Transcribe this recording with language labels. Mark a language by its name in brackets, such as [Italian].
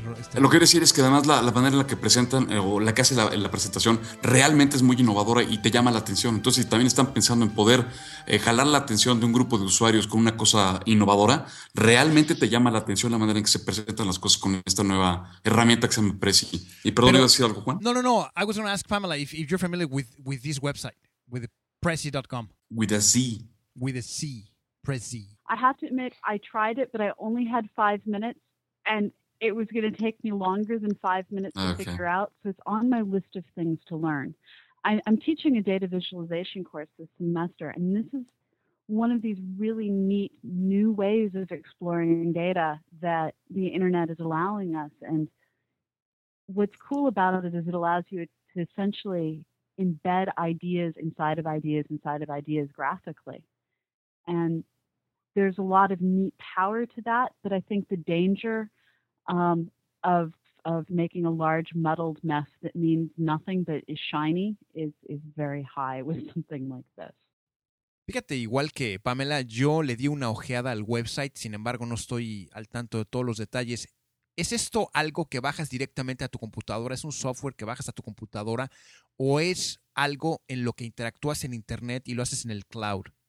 [Spanish] Lo que quiero decir es que además la manera en la que presentan o la que hace la presentación realmente es muy innovadora y te llama la atención. Entonces, si también están pensando en poder jalar la atención de un grupo de usuarios con una cosa innovadora, realmente te llama la atención la manera en que se presentan las cosas con esta nueva herramienta que se llama Prezi. Y perdón, ¿iba a decir algo, Juan? No. [English] I was going to ask Pamela if you're familiar with this website, with Prezi.com. With a Z. Prezi. I have to admit, I tried it, but I only had 5 minutes, and it was going to take me longer than 5 minutes to figure out, so it's on my list of things to learn. I'm teaching a data visualization course this semester, and this is one of these really neat new ways of exploring data that the internet is allowing us, and what's cool about it is it allows you to essentially embed ideas inside of ideas inside of ideas graphically. And there's a lot of neat power to that, but I think the danger of making a large muddled mess that means nothing but is shiny is very high with something like this. [Spanish] Fíjate, igual que Pamela, yo le di una ojeada al website, sin embargo no estoy al tanto de todos los detalles. ¿Es esto algo que bajas directamente a tu computadora? ¿Es un software que bajas a tu computadora? ¿O es algo en lo que interactúas en internet y lo haces en el cloud?